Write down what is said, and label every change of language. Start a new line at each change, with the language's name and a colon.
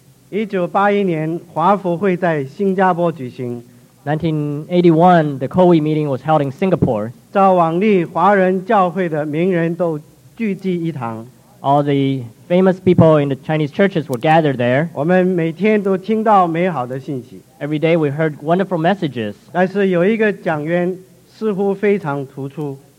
Chinese: 1981年, 华府会在新加坡举行,
English: 1981, the COWI meeting was held in Singapore.
Chinese: 照往例, 华人教会的名人都聚集一堂,
English: all the famous people in the Chinese churches were gathered there.
Chinese: 我们每天都听到美好的信息,
English: every day we heard wonderful messages.
Chinese: 但是有一个讲员似乎非常突出,